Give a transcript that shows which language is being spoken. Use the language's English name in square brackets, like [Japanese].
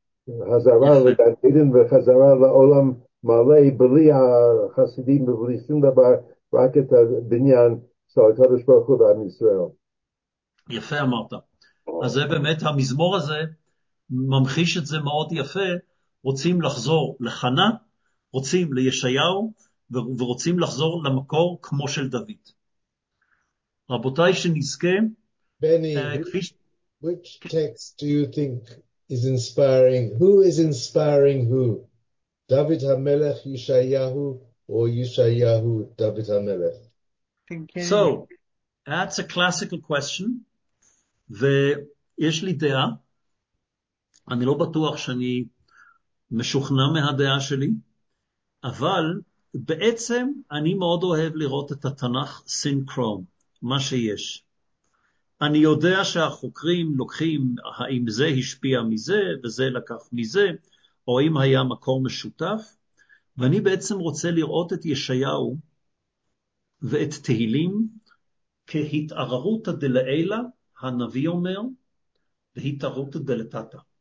[Hebrew] חזרה לגן עדן וחזרה לעולם מלא, בלי החסידים ובלי שום דבר, רק את הבניין של הקדוש ברוך הוא ועם ישראל. יפה אמרת. אז זה באמת, המזמור הזה ממחיש את זה מאוד יפה. רוצים לחזור לחנה, רוצים לישעיהו, ורוצים לחזור למקור כמו של דוד. רבותיי, שנזכה. [English] בני, which text do you think is inspiring? Who is inspiring who? דוד המלך, ישעיהו, or ישעיהו, דוד המלך? So, that's a classical question. [Hebrew] ויש לי דעה, אני לא בטוח שאני משוכנע מהדעה שלי, אבל בעצם אני מאוד אוהב לראות את התנ"ך סינקרון, מה שיש. אני יודע שהחוקרים לוקחים האם זה השפיע מזה וזה לקח מזה, או אם היה מקור משותף, ואני בעצם רוצה לראות את ישעיהו ואת תהילים כהתעררותא דלעילא, הנביא אומר, והתערות דלתתה.